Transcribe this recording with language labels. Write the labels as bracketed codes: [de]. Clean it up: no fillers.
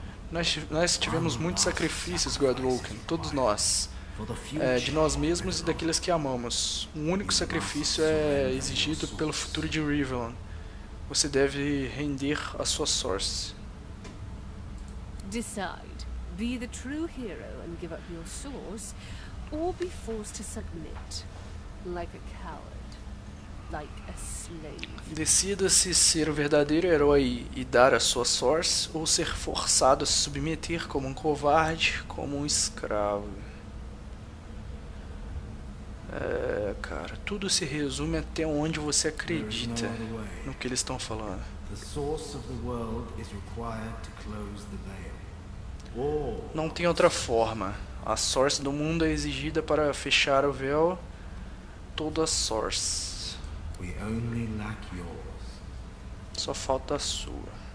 [pt] Nós tivemos muitos sacrifícios, Godwoken. Todos nós. De nós mesmos e daqueles que amamos. Um único sacrifício é exigido pelo futuro de Rivellon. Você deve render a sua Source. [en] Decide. Be the true hero and give up your source, or be forced to submit like a coward, like a slave. [pt] Decida se ser o verdadeiro herói e dar a sua source, ou ser forçado a se submeter como um covarde, como um escravo. Cara, tudo se resume até onde você acredita no que eles estão falando. [en] The source of the world is required to close the veil. [pt] Não tem outra forma. A Source do mundo é exigida para fechar o véu. Toda a Source. [en] We only lack yours. [pt] Só falta a sua.